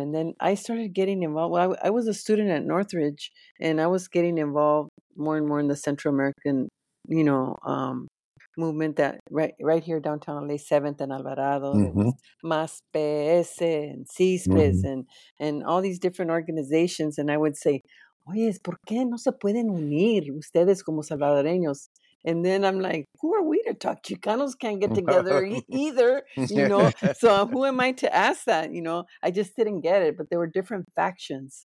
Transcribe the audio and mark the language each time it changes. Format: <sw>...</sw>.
<en>And then I started getting involved. Well, I was a student at Northridge, and I was getting involved more and more in the Central American, you know, movement that right here downtown LA, 7th and Alvarado, MASPS and CISPES and all these different organizations. And I would say,</en> <es>oye, ¿por qué no se pueden unir ustedes como salvadoreños?</es> <en>And then I'm like, who are we to talk? Chicanos can't get together either, you know? So who am I to ask that, you know? I just didn't get it, but there were different factions.</en>